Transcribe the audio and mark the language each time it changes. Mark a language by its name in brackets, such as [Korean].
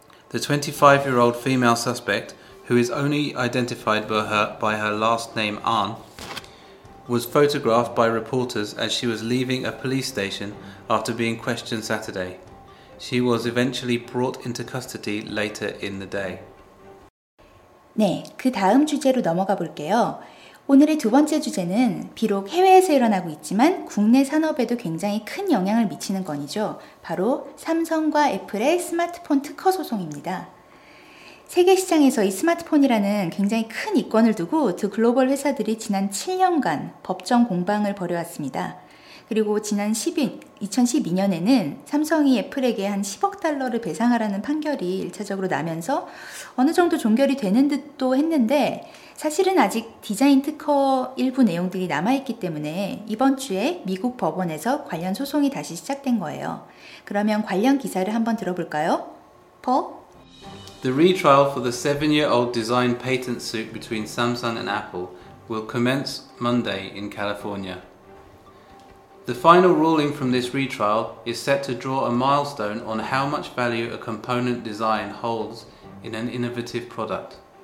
[English] The 25-year-old female suspect, who is only identified by her last name An, was photographed by reporters as she was leaving a police station after being questioned Saturday. She was eventually brought into custody later in the day. [Korean] 네, 그 다음 주제로 넘어가 볼게요. 오늘의 두 번째 주제는 비록 해외에서 일어나고 있지만 국내 산업에도 굉장히 큰 영향을 미치는 건이죠. 바로 삼성과 애플의 스마트폰 특허 소송입니다. 세계 시장에서 이 스마트폰이라는 굉장히 큰 이권을 두고 두 글로벌 회사들이 지난 7년간 법정 공방을 벌여왔습니다. 그리고 지난 2012년에는 삼성이 애플에게 한 10억 달러를 배상하라는 판결이 1차적으로 나면서 어느 정도 종결이 되는 듯도 했는데 사실은 아직 디자인 특허 일부 내용들이 남아있기 때문에 이번 주에 미국 법원에서 관련 소송이 다시 시작된 거예요. 그러면 관련 기사를 한번 들어볼까요? [English] Paul? The retrial for the 7-year-old design patent suit between Samsung and Apple will commence Monday in California. The final ruling from this retrial is set to draw a milestone on how much value a component design holds in an innovative product.